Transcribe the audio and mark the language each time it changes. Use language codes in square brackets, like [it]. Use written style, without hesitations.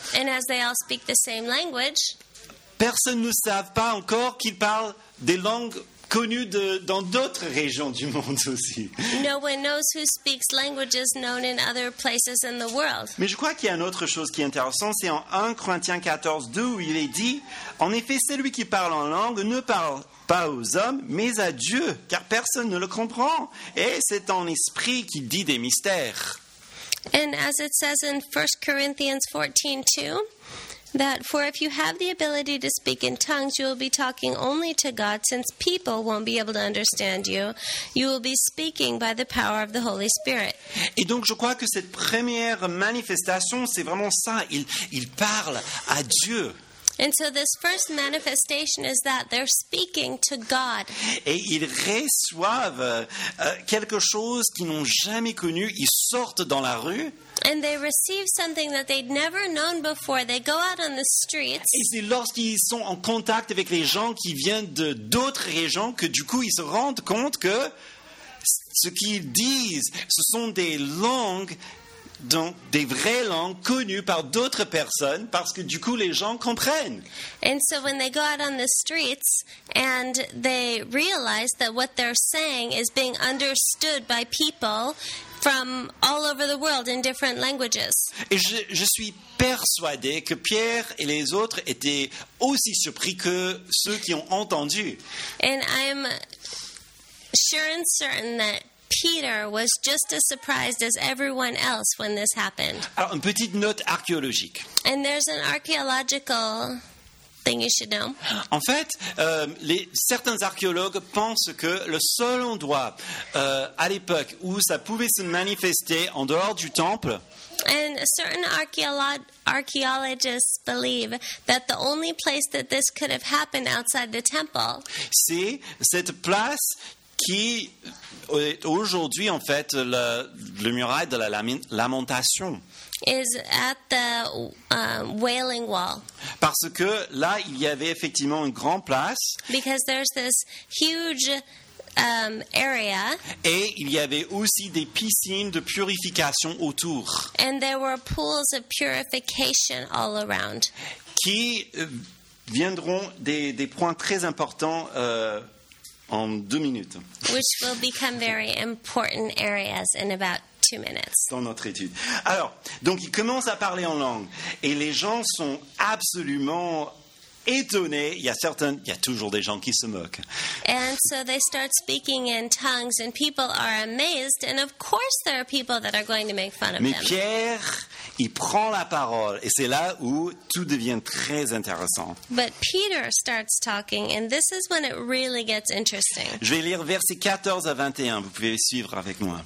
[en] and as they all speak the same language, [fr] personne ne savent pas encore qu'ils parlent des langues connues dans d'autres régions du monde aussi. [en] No one knows who speaks languages known in other places in the world. [fr] Mais je crois qu'il y a une autre chose qui est intéressante, c'est en 1 Corinthiens 14, 2, où il est dit, « En effet, celui qui parle en langue ne parle pas aux hommes, mais à Dieu, car personne ne le comprend. Et c'est en esprit qu'il dit des mystères. » [en] And as it says in 1 Corinthians 14, 2, that for if you have the ability to speak in tongues, you will be talking only to God, since people won't be able to understand you. You will be speaking by the power of the Holy Spirit. [fr] Et donc, je crois que cette première manifestation, c'est vraiment ça. Il parle à Dieu. [en] And so this first manifestation is that they're speaking to God. [fr] Et ils reçoivent quelque chose qu'ils n'ont jamais connu. Ils sortent dans la rue. [en] And they receive something that they'd never known before. They go out on the streets. [fr] Et c'est lorsqu'ils sont en contact avec les gens qui viennent de d'autres régions que du coup ils se rendent compte que ce qu'ils disent, ce sont des langues, donc des vraies langues connues par d'autres personnes, parce que du coup les gens comprennent. [en] And so when they go out on the streets and they realize that what they're saying is being understood by people from all over the world in different languages. [fr] Et je suis persuadé que Pierre et les autres étaient aussi surpris que ceux qui ont entendu. [en] And I'm sure and certain that Peter was just as surprised as everyone else when this happened. [fr] Alors, une petite note archéologique. [en] And there's an archaeological thing you should know. [fr] En fait, certains archéologues pensent que le seul endroit à l'époque où ça pouvait se manifester en dehors du temple, [en] and certain archaeologists believe that the only place that this could have happened outside the temple, [fr] c'est cette place qui est aujourd'hui en fait le muraille de la Lamentation. [en] Is at the Wailing Wall. [fr] Parce que là, il y avait effectivement une grande place. [en] Because there's this huge area. [fr] Et il y avait aussi des piscines de purification autour. [en] And there were pools of purification all around. [fr] Qui viendront des points très importants en 2 minutes. [en] Which will become very important areas in about 2 minutes. [fr] Dans notre étude. Alors, donc ils commencent à parler en langue et les gens sont absolument étonnés. Il y a toujours des gens qui se moquent. [en] And so they start speaking in tongues and people are amazed and of course there are people that are going to make fun of them. [fr] Mais Pierre, il prend la parole et c'est là où tout devient très intéressant. [en] But Peter starts talking and this is when it really gets interesting. [fr] Je vais lire versets 14 à 21, vous pouvez suivre avec moi.